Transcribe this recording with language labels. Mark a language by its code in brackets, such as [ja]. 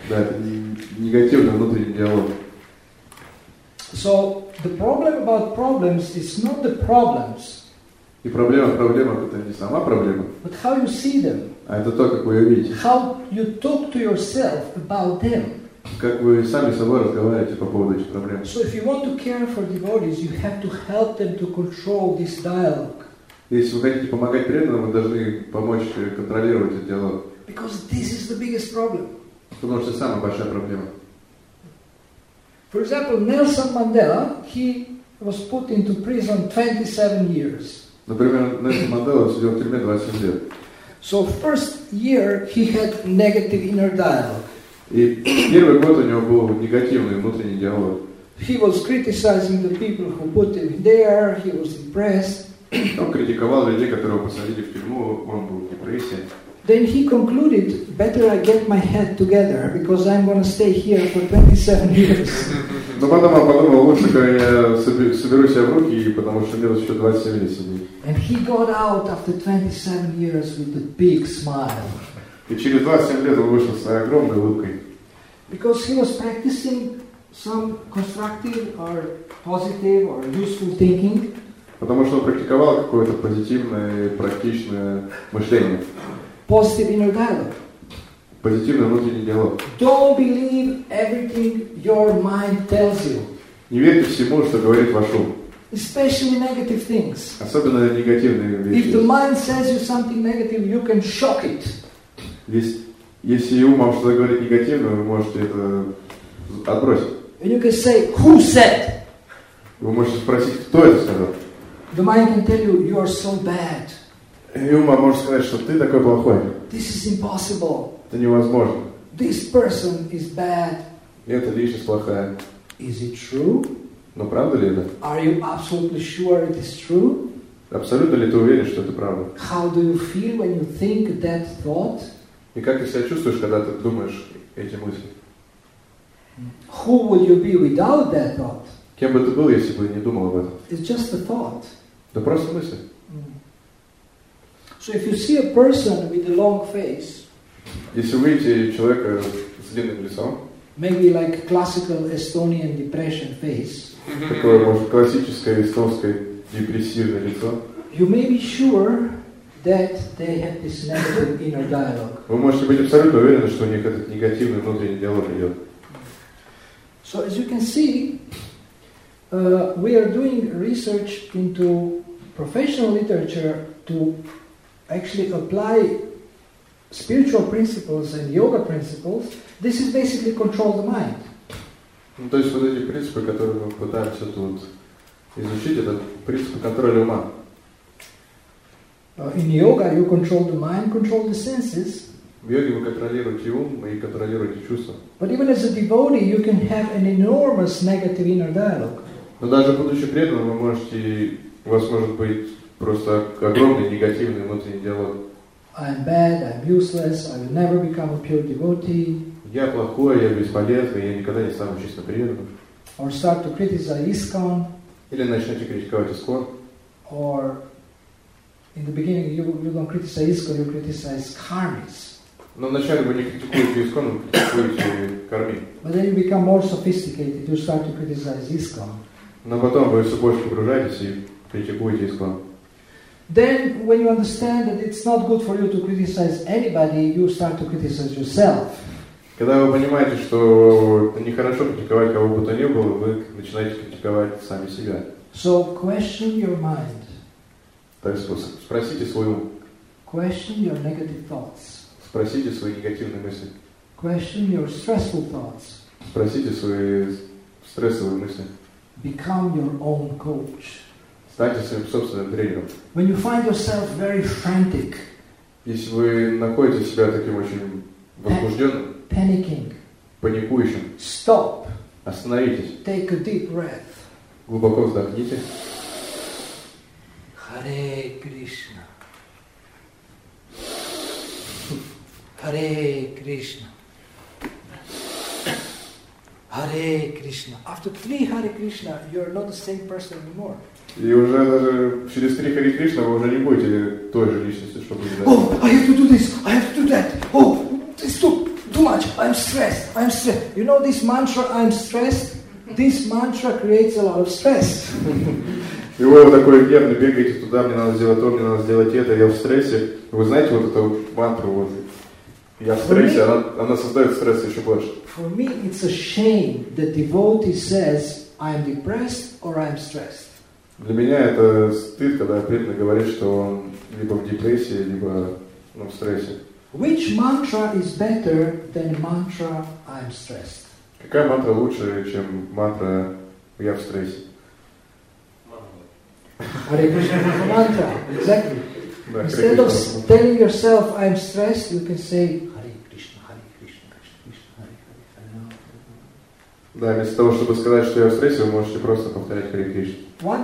[ru] Да, негативный внутренний диалог. [en] So the problem about problems is not the problems. [ru] И проблема в проблемах — это не сама проблема. [en] But how you see them. [ru] А это то, как вы ее видите. [en] How you talk to yourself about them. [ru] Как вы сами с собой разговариваете по поводу этих проблем. [en] So if you want to care for devotees, you have to help them to control this dialogue. [ru] Если вы хотите помогать преданным, вы должны помочь контролировать этот диалог. [en] Because this is the biggest problem. [ru] Потому что это самая большая проблема. [en] For example, Nelson Mandela, he was put into prison 27 years. [ru] Например, Нельсон Мандела сидел в тюрьме 27 лет. [en] So first year he had negative inner dialogue. [ru] И первый год у него был негативный внутренний диалог. [en] He was criticizing the people who put him there. He was depressed. [ru] Он критиковал людей, которого посадили в тюрьму, он был в депрессии. [en] Then he concluded, better I get my head together because I'm going to stay here for 27 years. [ru] Но потом он подумал, лучше, когда я соберу себя в руки, потому что мне еще 27 лет сидеть. [en] And he got out after 27 years with a big smile. [ru] И через 27 лет он вышел с огромной улыбкой. [en] Because he was practicing some constructive or positive or useful thinking. [ru] Потому что он практиковал какое-то позитивное, практичное мышление. [en] Positive inner dialogue. [ru] Позитивный внутренний диалог. [en] Don't believe everything your mind tells you. [ru] Не верьте всему, что говорит ваш ум. [en] Especially negative things. [ru] Особенно негативные вещи. [en] If the mind says you something negative, you can shock it. [ru] Если ум вам что-то говорит негативное, вы можете это отбросить. [en] And you can say, who said? [ru] Вы можете спросить, кто это сказал. [en] The mind can tell you, you are so bad. [ru] И ума может сказать, что ты такой плохой. [en] This is impossible. [ru] Это невозможно. [en] This person is bad. [ru] Эта личность плохая. [en] Is it true? [ru] Но правда ли это? [en] Are you absolutely sure it is true? [ru] Абсолютно ли ты уверен, что это правда? [en] How do you feel when you think that thought? [ru] И как ты себя чувствуешь, когда ты думаешь эти мысли? [en] Who would you be without that thought? [ru] Кем бы ты был, если бы не думал об этом? [en] It's just a thought. [ru] Да просто мысль. [en] So if you see a person with a long face, [ru] если вы видите человека с длинным лицом, [en] maybe like classical Estonian depression face, [ru] такое, может, классическое эстонское депрессивное лицо, [en] you may be sure that they have this negative inner dialogue. [ru] Вы можете быть абсолютно уверены, что у них этот негативный внутренний диалог идет. [en] So as you can see, we are doing research into professional literature to actually apply spiritual principles and yoga principles. This is basically control the mind. [ru] То есть вот эти принципы, которые мы пытаемся тут изучить этот принцип контроля ума. [en] In yoga you control the mind, control the senses. [ru] В йоге вы контролируете ум и контролируете чувства. [en] But even as a devotee, you can have an enormous negative inner dialogue. [ru] Но даже будучи преданным, вы можете, у вас может быть просто огромный негативный внутренний диалог. [en] I'm bad, I'm useless, I will never become a pure devotee. [ru] Я плохой, я бесполезный, я никогда не стану чисто преданным. [en] Or start to criticize ISKCON. [ru] Или начнете критиковать ISKCON. [en] Or in the beginning you don't criticize ISKCON, you criticize karmis. [ru] Но вначале вы не критикуете ISKCON, вы критикуете карми. [en] But then you become more sophisticated, you start to criticize ISKCON. [ru] Но потом вы все больше погружаетесь и критикуете ISKCON. [en] Then when you understand that it's not good for you to criticize anybody, you start to criticize yourself. [ru] Когда вы понимаете, что нехорошо критиковать кого бы то ни было, вы начинаете критиковать сами себя. [en] So question your mind. [ru] Так спросите свой ум. [en] Question your negative thoughts. [ru] Спросите свои негативные мысли. [en] Question your stressful thoughts. [ru] Спросите свои стрессовые мысли. [en] Become your own coach. [ru] Станьте своим собственным тренером. [en] When you find yourself very frantic. [ru] Если вы находите себя таким очень возбужденным. [en] Panicking. [ru] Паникующим. [en] Stop. [ru] Остановитесь. [en] Take a deep breath. [ru] Глубоко вдохните. [sa] Hare Krishna. Hare Krishna. Hare Krishna. [en] After three Hare Krishna, you're not the same person anymore. [ru] И уже даже через три Hare Krishna вы уже не будете той же личностью, что были. [en] Oh, I have to do this. I have to do that. Oh, stop. Too much. I'm stressed. I'm stressed. You know this mantra, I'm stressed? This mantra creates a lot of stress. [ru] И вы такой нервный, бегаете туда, мне надо сделать то, мне надо сделать это, я в стрессе. Вы знаете вот эту мантру, вот, я в стрессе, она создает стресс еще больше. [en] For me, it's a shame that devotee says, I'm depressed or I'm stressed. [ru] Для меня это стыд, когда преданный говорит, что он либо в депрессии, либо в стрессе. [en] Which mantra is better than mantra I'm stressed? [ru] Какая мантра лучше, чем мантра я в стрессе? [en] Hare Krishna mantra. Exactly. Instead of telling yourself I'm stressed, you can say Hare Krishna, Hare Krishna, Krishna Krishna, Hare Hare. [ru] Да, вместо того, чтобы сказать, что я в стрессе, вы можете просто повторять Hare Krishna.